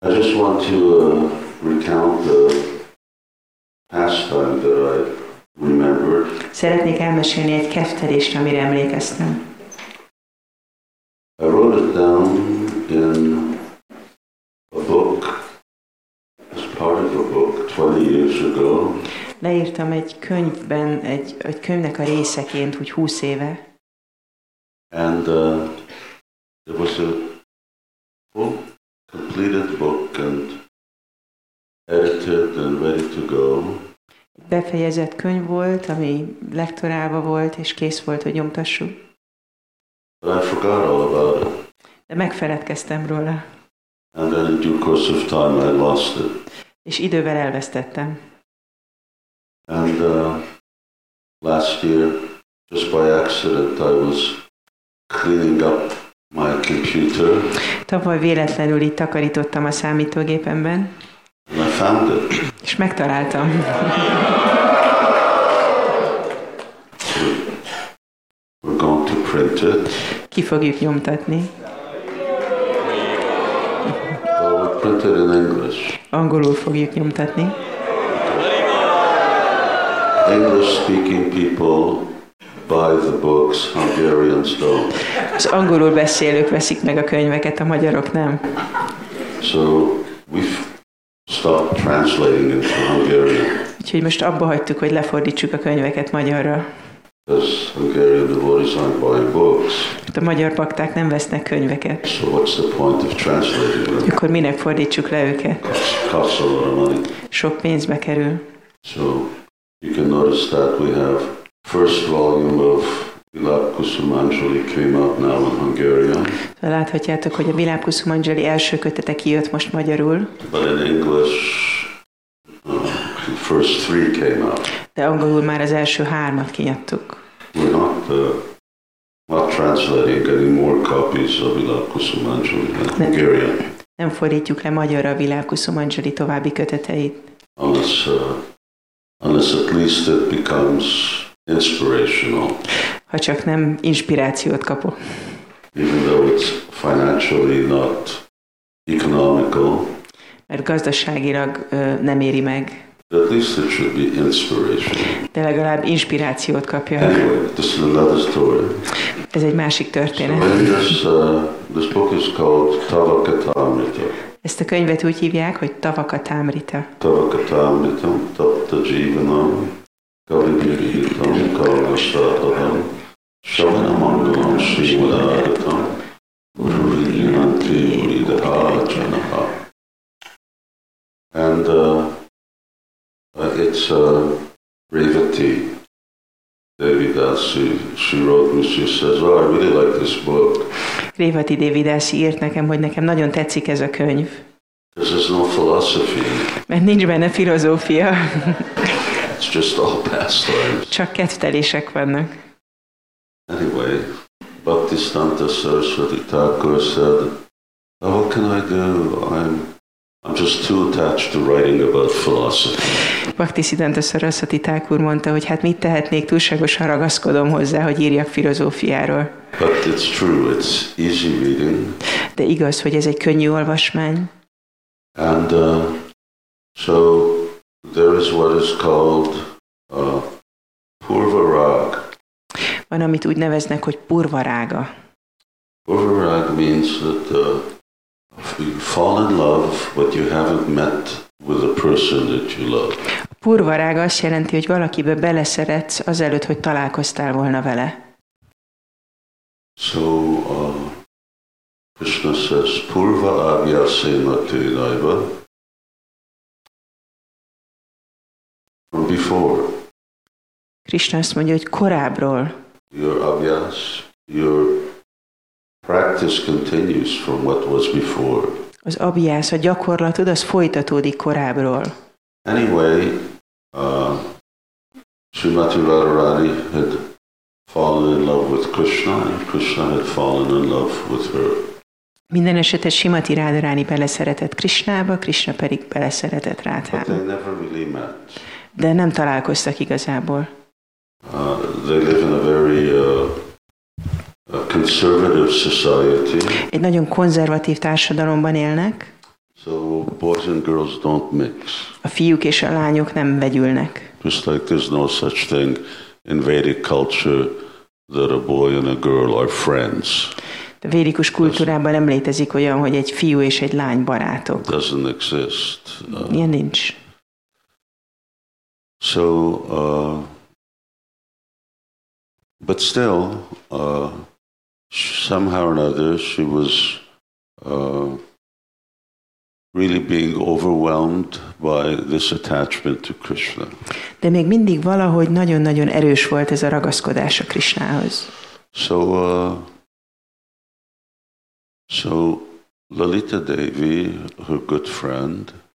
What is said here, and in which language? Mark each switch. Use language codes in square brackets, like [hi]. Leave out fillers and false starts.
[en] I just want to recount the pastime that I remembered. [hu] Szeretnék elmesélni egy keftelést, amire emlékeztem. [en] I wrote it down in a book, as part of a book, 20 years ago. [hu] Leírtam egy könyvben, egy könyvnek a részeként, úgy 20 éve. [en] And it was a book, completed book, and edited and ready to go. [hu] Befejezett könyv volt, ami lektorálva volt, és kész volt, hogy nyomtassuk. [en] But I forgot all about it. [hu] De megfeledkeztem róla. [en] And then in due course of time I lost it. [hu] És idővel elvesztettem. [en] And last year, just by accident, I was cleaning up my computer. [hu] Tavaly véletlenül itt takarítottam a számítógépemben. [en] And I found it. [hu] És megtaláltam. [en] We're going to print it. [hu] Ki fogjuk nyomtatni. [en] We'll print it in English. [hu] Angolul fogjuk nyomtatni. [en] English-speaking people buy the books, Hungarians don't. [hu] Az angolul beszélők veszik meg a könyveket, a magyarok nem. [en] So we've stopped translating into Hungarian. [hu] Úgyhogy most abba hagytuk, hogy lefordítsuk a könyveket magyarra. [en] Because Hungarian devotees aren't buying books. [hu] A magyar bakták nem vesznek könyveket. [en] So what's the point of translating them? [hu] Akkor minek fordítsuk le őket? [en] Costs a lot of money. [hu] Sok pénzbe kerül. [en] So you can notice that we have first volume of Vilap Kusumanjali came out now in Hungarian. [hu] Láthatjátok, hogy a Vilap Kusumanjali első kötete kijött most magyarul. [en] But in English, the first three came out. [hu] De angolul már az első hármat kiadtuk. [en] We're not translating any more copies of Vilap Kusumanjali in Hungarian. [hu] Nem fordítjuk le magyarra a Vilap Kusumanjali további köteteit. [en] Unless at least it becomes inspirational. [hu] Ha csak nem inspirációt kapok. [en] Even though it's financially not economical. [hu] Mert gazdaságilag nem éri meg. [en] At least it should be inspirational. [hu] De legalább inspirációt kapja. [en] Anyway, this is another story. [hu] Ez egy másik történet. [en] So this book is called Tavakatamrita. [hu] Ezt a könyvet úgy hívják, hogy Tavakatamrita. [sa] Tavakatamrita, tapta jivanam, kavibhiritam, kavagasthatam, savanamangalam, srimadaritam, ururiyanti uridahajanaha. [en] And it's Revati Devidasi, she wrote me, she says, oh, I really like this book. [hu] Revati Devidasi írt nekem, hogy nekem nagyon tetszik ez a könyv. [en] This is no philosophy. [hu] Mert nincs benne filozófia. [en] It's just all pastimes. [hu] Csak kettelések vannak. [en] Anyway, Bhaktisthanta Saraswati Thakur said, oh, what can I do? I'm just too attached to writing about philosophy. [hu] Bhaktisthanta Saraswati Thakur mondta, hogy hát mit tehetnék, túlságosan ragaszkodom hozzá, hogy írjak filozófiáról. [en] But it's true, it's easy reading. [hu] De igaz, hogy ez egy könnyű olvasmány. [en] And so there is what is called Purvarag. [hu] Van, amit úgy neveznek, hogy Purvarága. [en] Purvarag means that you fall in love, but you haven't met with a person that you love. [hu] Purvarág azt jelenti, hogy valakibe beleszeretsz azelőtt, hogy találkoztál volna vele. [en] So Krishna says, [sa] Purva Avyasena Tirinaiva. [en] From before. [hu] Krishna azt mondja, hogy korábbról. [en] Your Avyas, your practice continues from what was before. [hu] Az Avyas, a gyakorlatod, az folytatódik korábbról. [en] Anyway, Srimati Radharani had fallen in love with Krishna, and Krishna had fallen in love with her. [hu] Minden esetet Srimati Radharani beleszeretett Krishnába, Krishna pedig beleszeretett Rádhába. [en] Really, [hu] de nem találkoztak igazából. [en] They live in a very conservative society. [hu] Egy nagyon konzervatív társadalomban élnek. [en] So boys and girls don't mix. [hu] A fiúk és a lányok nem vegyülnek. [en] Just like there's no such thing in Vedic culture that a boy and a girl are friends. [hu] A védikus kultúrában nem létezik olyan, hogy egy fiú és egy lány barátok. [en] Doesn't exist. [hu] Ilyen nincs. [en] So, but still, somehow or another, she was really being overwhelmed by this attachment to Krishna. [hu] De még mindig valahogy nagyon-nagyon erős volt ez a ragaszkodás a Krishnához. [en] So Lalita Devi, her good friend.